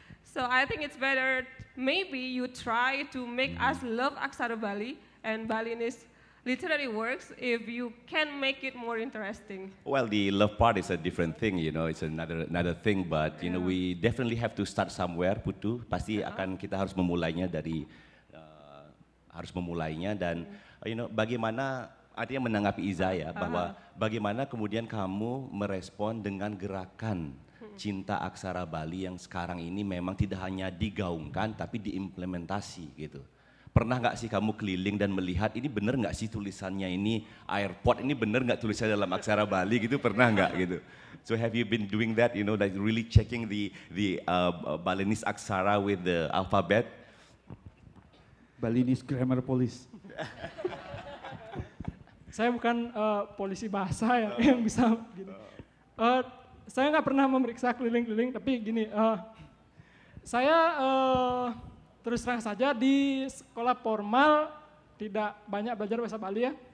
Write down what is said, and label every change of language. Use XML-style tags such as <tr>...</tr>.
<en>So I think it's better, maybe you try to make us love Aksara Bali and Balinese literary works, if you can make it more interesting. Well, the love part is a different thing, you know, it's another thing, but you know, we definitely have to start somewhere, Putu.</en> <id>Pasti akan kita harus memulainya dari, harus memulainya, dan</id> <en>you know,</en> <id>bagaimana artinya menanggapi Iza ya, bahwa bagaimana kemudian kamu merespon dengan gerakan cinta aksara Bali yang sekarang ini memang tidak hanya digaungkan tapi diimplementasi gitu. Pernah gak sih kamu keliling dan melihat ini benar gak sih tulisannya ini airport, ini benar gak tulisannya dalam aksara Bali gitu, pernah gak gitu?</id> <en>So have you been doing that, you know, like really checking the Balinese aksara with the alphabet? Balinese grammar police.</en> <id>Saya bukan polisi bahasa ya, yang bisa gini. Saya nggak pernah memeriksa keliling-keliling, tapi gini. Saya terus terang saja di sekolah formal tidak banyak belajar bahasa Bali ya.</id>